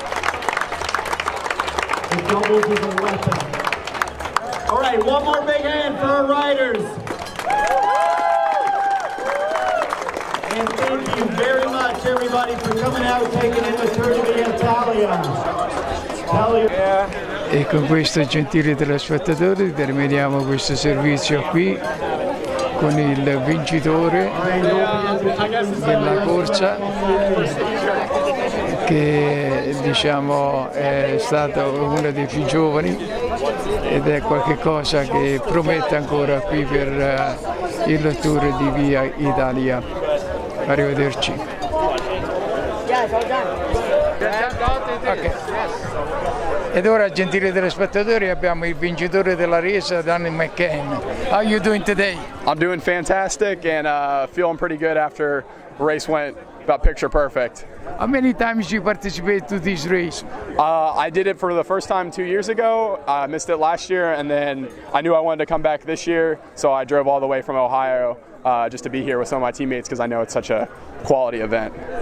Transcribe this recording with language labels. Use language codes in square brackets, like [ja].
[en] The doubles is a weapon. All right, one more big hand for our riders. And thank you very much, everybody, for coming out, taking in the Tour de Via Italia. [it] E con questo, gentile telespettatore, terminiamo questo servizio qui con il vincitore della corsa, che diciamo è stato uno dei più giovani, ed è qualcosa che promette ancora qui per il Tour di Via Italia. Arrivederci. Okay. Ed ora, gentili telespettatori, abbiamo il vincitore della resa, Danny McCann. [en] How are you doing today? I'm doing fantastic and feeling pretty good after the race went about picture perfect. How many times you participate to this race? I did it for the first time 2 years ago. I missed it last year, and then I knew I wanted to come back this year, so I drove all the way from Ohio just to be here with some of my teammates, because I know it's such a quality event.